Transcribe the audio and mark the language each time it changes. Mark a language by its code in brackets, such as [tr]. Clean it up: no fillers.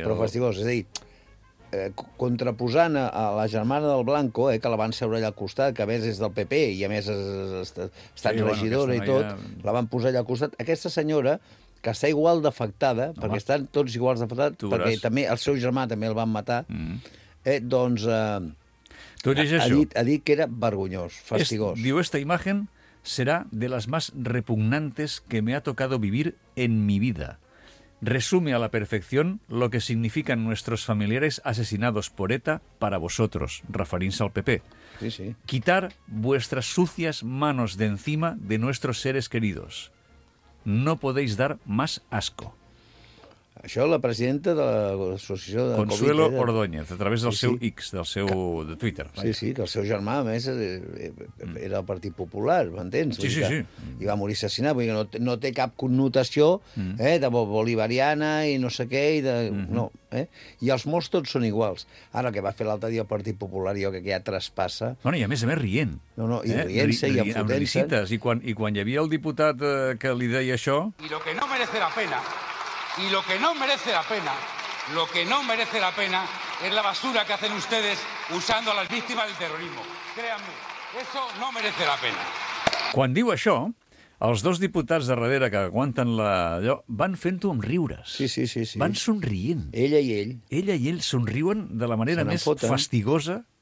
[ca] Però fastigós, és a dir, contraposant a la germana del Blanco, que la van seure allà al costat, que a més és del PP i a més ha estat regidora i tot, la van posar allà al costat. Aquesta senyora, que està igual d'afectada, perquè estan tots iguals d'afectats, perquè també el seu germà també el van matar, doncs... Ha dit que era vergonyós, fastigós. Diu, [es] esta imagen será de las más repugnantes que me ha tocado vivir en mi vida. Resume a la perfección lo que significan nuestros familiares asesinados por ETA para vosotros, [ca] referint-se al PP. [es] Sí, sí. Quitar vuestras sucias manos de encima de nuestros seres queridos. No podéis dar más asco. [ca] Això, la presidenta de l'associació de Consuelo COVID, Ordóñez, a través del seu X, del seu de Twitter. Sí, sí, que el seu germà, a més, era el Partit Popular, m'entens? Sí, sí, sí. I va morir assassinat. Vull dir, no té cap connotació de bolivariana i no sé què. I de... No, I els morts tots són iguals. Ara, que va fer l'altre dia el Partit Popular, jo crec que ja traspassa... Bueno, i a més rient. No, i rient-se i enfotent-se. Amb risites. I quan hi havia el diputat que li deia això... [es] Y lo que no merece la pena... Y lo que no merece la pena, lo que no merece la pena es la basura que hacen ustedes usando a las víctimas del terrorismo. Créanme, eso no merece la pena. [ca] Quan diu això, els dos diputats de darrere que aguanten allò van fent-ho amb riures. Sí, sí, sí, sí. Van somrient. Ella i ell. Ella i ell somriuen de la manera més fastigosa.